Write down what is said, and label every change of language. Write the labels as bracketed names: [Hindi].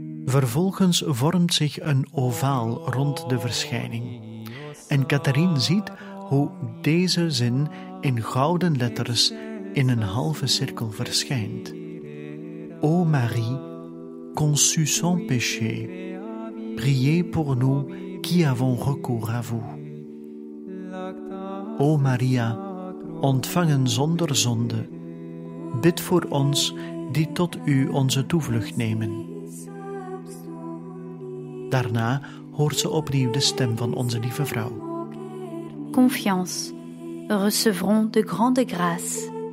[Dutch] Vervolgens vormt zich een ovaal rond de verschijning. En Catharien ziet hoe deze zin in gouden letters in een halve cirkel verschijnt. [French] O Marie, conçue sans péché, priez pour nous qui avons recours à vous. [Dutch] O Maria, ontvangen zonder zonde, bid voor ons die tot u onze toevlucht nemen. Daarna hoort ze opnieuw de stem van onze lieve vrouw. [French] Confiance, recevrons de grande grâce.